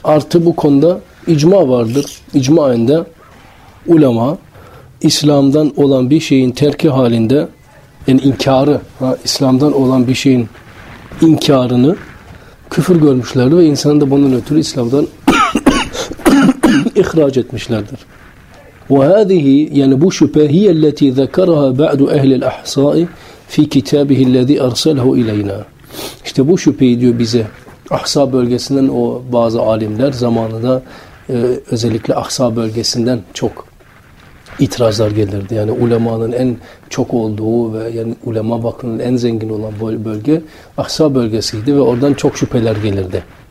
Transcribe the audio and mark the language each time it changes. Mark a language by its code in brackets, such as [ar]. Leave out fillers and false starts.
[tr] Artı bu konuda icma vardır. İcma ayında ulema İslam'dan olan bir şeyin terki halinde, yani inkarı, İslam'dan olan bir şeyin inkarını küfür görmüşlerdir ve insanı da bunun ötürü İslam'dan ihraç etmişlerdir. [ar] وَهَذِهِ [tr] yani bu [ar] şüphe هِيَ الَّتِي ذَكَرَهَا بَعْدُ اَهْلِ الْاَحْصَائِ فِي كِتَابِهِ الَّذِي اَرْسَلْهُ اِلَيْنَا. [tr] İşte bu şüpheyi diyor bize Ahsa bölgesinden o bazı alimler zamanında, özellikle Ahsa bölgesinden çok İtirazlar gelirdi. Yani ulemanın en çok olduğu ve yani ulema bakımının en zengin olan bölge Ahsa bölgesiydi ve oradan çok şüpheler gelirdi.